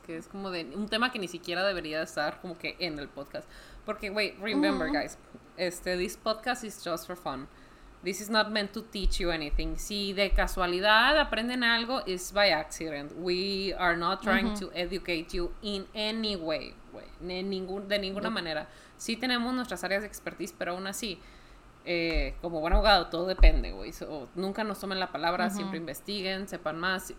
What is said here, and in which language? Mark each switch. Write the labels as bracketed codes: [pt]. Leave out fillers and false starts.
[es] Que es como de un tema que ni siquiera debería estar como que en el podcast. [en] Porque, wait, remember, guys. This podcast is just for fun. This is not meant to teach you anything. [es] Si de casualidad aprenden algo, [en] it's by accident. We are not trying to educate you in any way. [es] De ninguna manera. Sí tenemos nuestras áreas de expertise, pero aún así... como buen abogado, todo depende, güey. Nunca nos tomen la palabra, siempre investiguen, sepan más.